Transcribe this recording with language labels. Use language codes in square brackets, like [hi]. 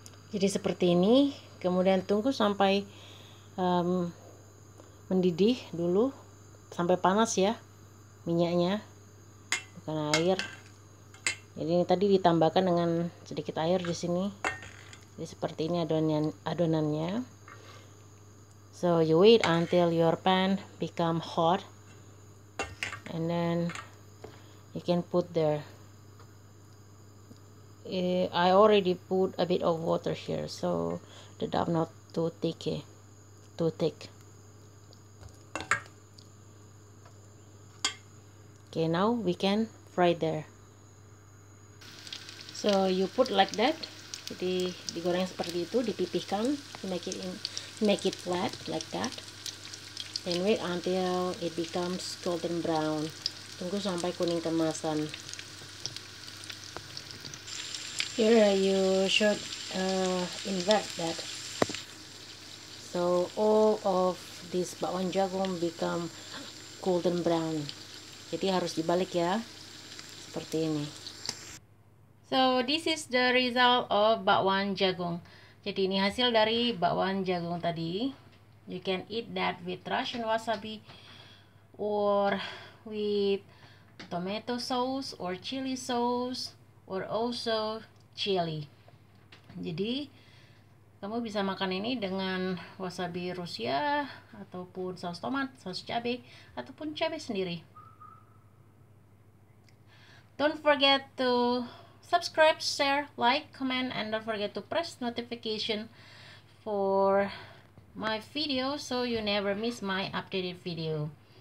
[id] Jadi seperti ini, kemudian tunggu sampai mendidih dulu, sampai panas ya minyaknya. Bukan air. Jadi ini tadi ditambahkan dengan sedikit air di sini. Jadi seperti ini adonannya. [en] So you wait until your pan become hot, and then you can put there. I already put a bit of water here, so the dough not too thick. Okay, now we can right there. So you put like that. [id] Jadi digoreng seperti itu, dipipihkan, [en] make it flat like that. And wait until it becomes golden brown. [id] Tunggu sampai kuning kemasan. [en] Here you should invert that. So all of this bakwan jagung become golden brown. [id] Jadi harus dibalik ya. Seperti ini. [en] So this is the result of bakwan jagung. [id] Jadi ini hasil dari bakwan jagung tadi. [en] You can eat that with Russian wasabi or with tomato sauce or chili sauce or also chili. [id] Jadi kamu bisa makan ini dengan wasabi Rusia ataupun saus tomat, saus cabai ataupun cabai sendiri. [en] Don't forget to subscribe, share, like, comment, and don't forget to press notification for my video so you never miss my updated video.